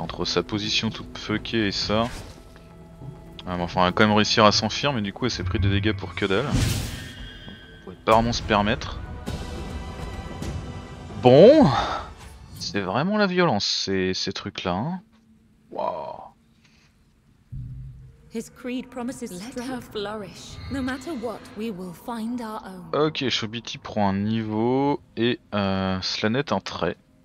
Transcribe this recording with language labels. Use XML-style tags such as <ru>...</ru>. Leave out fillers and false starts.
<fr>Entre sa position toute fuckée et ça... enfin, elle a quand même réussi à s'enfuir, mais du coup, elle s'est pris des dégâts pour que dalle. On pouvait pas vraiment se permettre. Bon, c'est vraiment la violence ces trucs là. Hein. Wow.</fr> <en>His creed promises let her flourish. No matter what, we will find our own.</en> <fr>Ok, Shobiti prend un niveau et Slanet un trait.</fr>